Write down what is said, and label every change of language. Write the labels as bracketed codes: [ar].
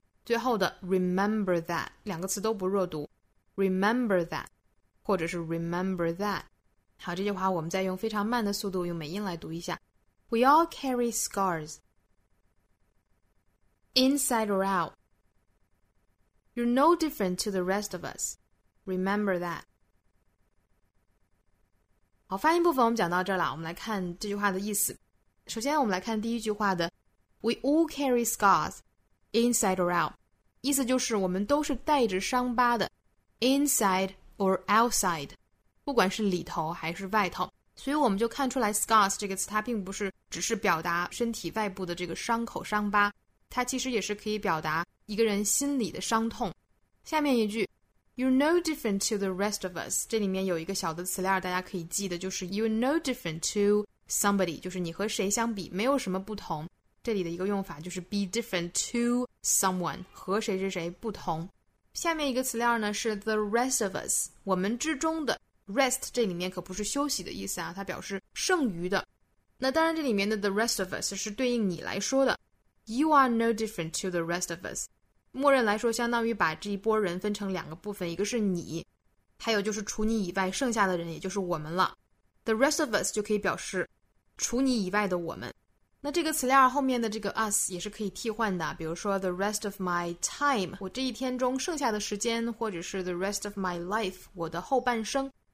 [zh] 最后的 [en] remember that [zh] 两个词都不弱读 ，remember that 或者是 remember that。好，这句话我们再用非常慢的速度用美音来读一下 ： [en] We all carry scars, inside or out. You're no different to the rest of us. Remember that。 [zh] 好，发音部分我们讲到这儿了，我们来看这句话的意思。首先，我们来看第一句话的 ： [en] We all carry scars。 Inside or out, [zh] 意思就是我们都是带着伤疤的 ， [en] inside or outside, [zh] 不管是里头还是外头，所以我们就看出来 scars 这个词它并不是只是表达身体外部的这个伤口伤疤，它其实也是可以表达一个人心里的伤痛。下面一句 ， [en] You're no different to the rest of us, [zh] 这里面有一个小的词链大家可以记的，就是 [en] You're no different to somebody, [zh] 就是你和谁相比没有什么不同。这里的一个用法就是 [en] be different to someone, [zh] 和谁谁谁不同。下面一个词链呢是 [en] the rest of us, [zh] 我们之中的 rest 这里面可不是休息的意思啊，它表示剩余的。那当然这里面的 [en] the rest of us [zh] 是对应你来说的。 [en] You are no different to the rest of us. [zh] 默认来说相当于把这一波人分成两个部分，一个是你，还有就是除你以外剩下的人，也就是我们了。 [en] The rest of us [zh] 就可以表示除你以外的我们。那这个词链后面的这个 us 也是可以替换的，比如说 [en] the rest of my time, [zh] 我这一天中剩下的时间，或者是 [en] the rest of my life, [zh] 我的后半生。